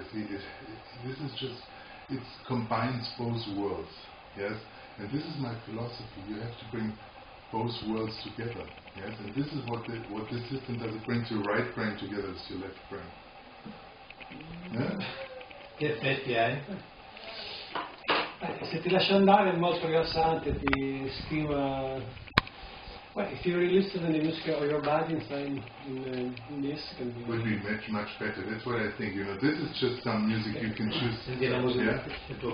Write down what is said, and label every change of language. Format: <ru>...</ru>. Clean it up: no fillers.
<en>You see, it combines both worlds, yes. And this is my philosophy, you have to bring both worlds together, yes. And this is what this system does. It brings your right brain together with your left brain.</en> <it>Che effetti hai? Se ti lascio andare è molto rilassante, ti stimola.</it> <en>Well, if you release to the music of your body inside in this, can be. Would be much, much better. That's what I think. You know, this is just some music you can choose.</en>